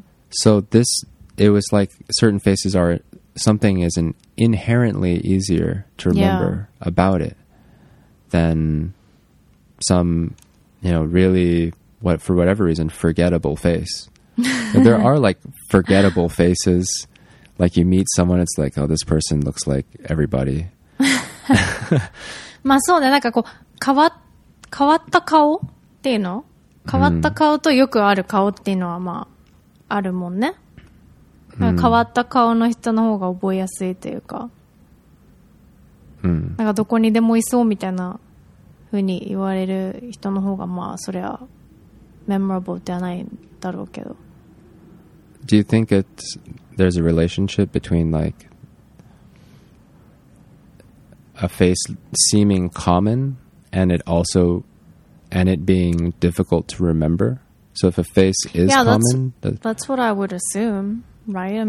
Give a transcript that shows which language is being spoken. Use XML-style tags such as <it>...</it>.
<en>So this, it was like certain faces are, something is an inherently easier to remember about it than some, you know, really, what for whatever reason, forgettable face. And there are like forgettable faces. Like you meet someone, it's like, oh, this person looks like everybody.</en> <ja>まあそうね、なんかこう変わった顔っていうの、変わった顔とよくある顔っていうのはまああるもんね。変わった顔の人の方が覚えやすいというか、なんかどこにでもいそうみたいな風に言われる人の方がまあそれはメモラブルではないだろうけど。</ja> <en>Do you think it's there's a relationship between like a face seeming common and it also and it being difficult to remember? So if a face is yeah, common, that's what I would assume, right?</en>